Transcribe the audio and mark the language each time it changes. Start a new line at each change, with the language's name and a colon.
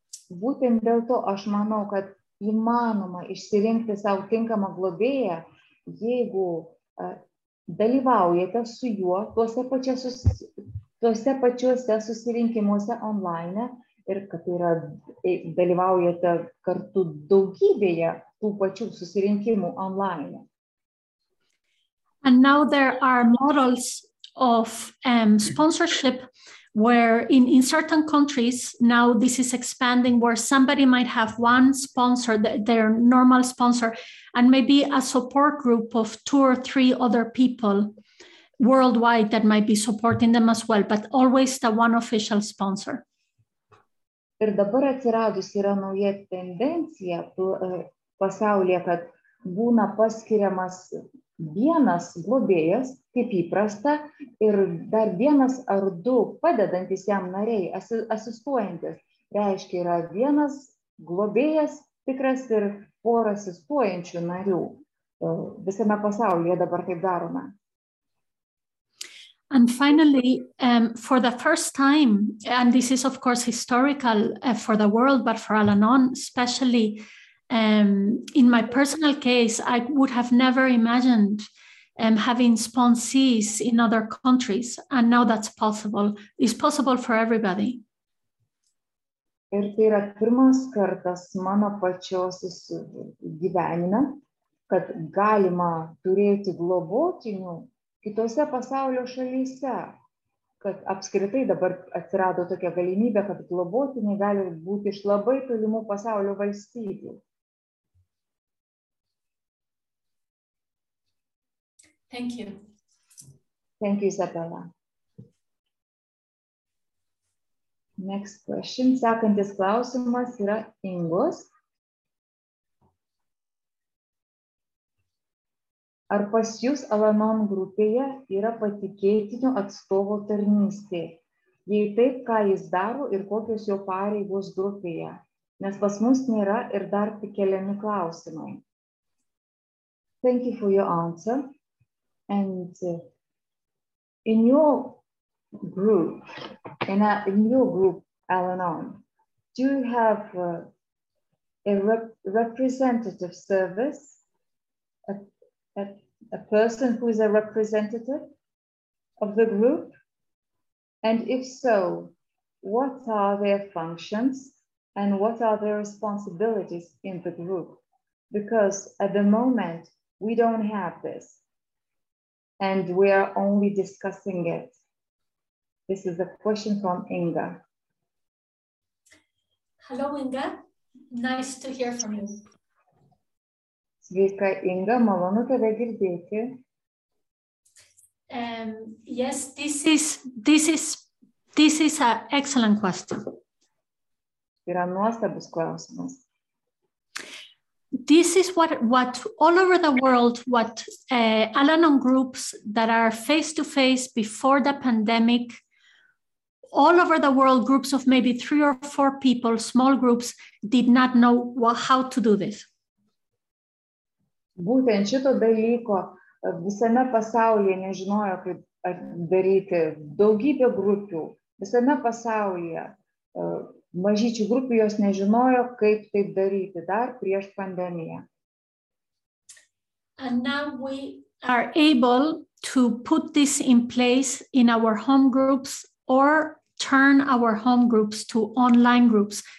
Lithuanian: Būtent dėl to aš manau, kad įmanoma išsirinkti savo tinkamą globėją, jeigu dalyvaujate su juo tuose pačiuose susirinkimuose online ir kad yra dalyvaujate kartu daugybėje tų pačių susirinkimų online.
English: And now there are models of sponsorship where in certain countries, now this is expanding, where somebody might have one sponsor, their normal sponsor, and maybe a support group of two or three other people worldwide that might be supporting them as well, but always the one official sponsor.
Lithuanian: Ir dabar atsiradus yra nauja tendencija pasaulyje, kad būna paskiriamas vienas globėjas, kaip įprasta, ir dar vienas ar du padedantis jam nariai, asistuojantis. Reiškia, yra vienas globėjas tikras ir pora asistuojančių narių. Visame pasaulyje dabar taip darome.
English: And finally, for the first time, and this is of course historical for the world, but for Al-Anon especially, in my personal case, I would have never imagined having sponsees in other countries, and now that's possible. It's possible for everybody.
Lithuanian: Ir tai yra pirmas kartas mano pačios gyvenime, kad galima turėti globotinių kitose pasaulio šalyse, kad apskritai dabar atsirado tokia galimybė, kad globotiniai gali būti iš labai tolimų pasaulio valstybių.
English: Thank you. Thank you, Isabella. Next question.
Lithuanian: Sekantis klausimas yra Ingos. Ar pas jūs Alanon grupėje yra patikėtinio atstovo tarnystė? Jei taip, ką jis daro ir kokios jo pareigos grupėje? Nes pas mus nėra ir dar tik keliami klausimai.
English: Thank you for your answer. And in your group, in your group, Alanon, do you have a representative service? A person who is a representative of the group? And if so, what are their functions and what are their responsibilities in the group? Because at the moment, we don't have this and we are only discussing it. This is a question from Inga. Hello, Inga. Nice to hear from you.
Lithuanian: Sveika, Inga, malonu tave girdėti.
English: Yes, this is an excellent question.
Lithuanian: Yra nuostabus klausimas.
English: This is what all over the world, what Al-Anon groups that are face to face before the pandemic, all over the world, groups of maybe 3 or 4 people, small groups, did not know how to do this.
Lithuanian: Būtent šito dalyko visame pasaulyje nežinojo, kaip daryti. Daugybė grupių visame pasaulyje, mažyčių grupių jos nežinojo, kaip taip daryti dar prieš pandemiją.
English: And now we are able to put this in place in our home groups or turn our home groups to online groups.